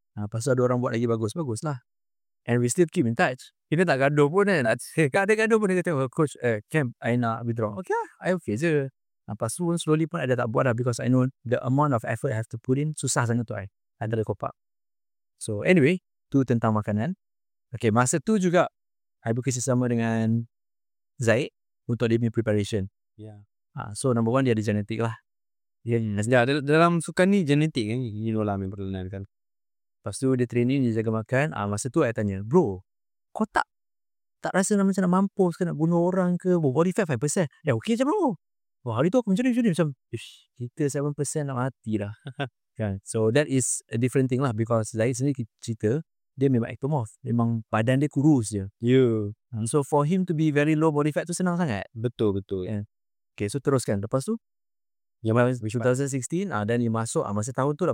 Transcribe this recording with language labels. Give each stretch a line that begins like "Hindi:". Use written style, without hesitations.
Malay: Pasal ada orang buat lagi bagus, bagus lah.
English: And we still keep in touch.
Malay: Kita tak gaduh pun kan. Ada gaduh pun, dia tengok, coach, camp, I nak withdraw.
English: Okay lah, I okay je.
Malay: Lepas tu pun slowly pun I dah tak buat lah
English: because I know the amount of effort I have to put in
Malay: susah sangat tu
English: I.
Malay: I dah kopak. So anyway, tu tentang makanan. Okay, masa tu juga I bekerjasama dengan Zaid untuk dia punya preparation.
English: Yeah.
Malay: So number one dia ada genetik lah. Dalam sukan ni genetik kan, you know lah member lain kan. Lepas tu dia training, dia jaga makan. Masa tu I tanya, bro, kau tak rasa macam nak mampus ke, nak bunuh orang ke, body fat 5%? Ya okay je bro. Wah, hari tu aku macam, kita 7% nak mati lah. Kan?
English: So that is a different thing
Malay: lah because Zahid sendiri cerita, dia memang ectomorph, memang badan dia kurus je.
English: Yeah. So for him to be very low body fat
Malay: tu senang sangat. Betul betul. Yeah. Okay, so teruskan. Lepas tu yang 2016 dan dia masuk masa tahun tu lah.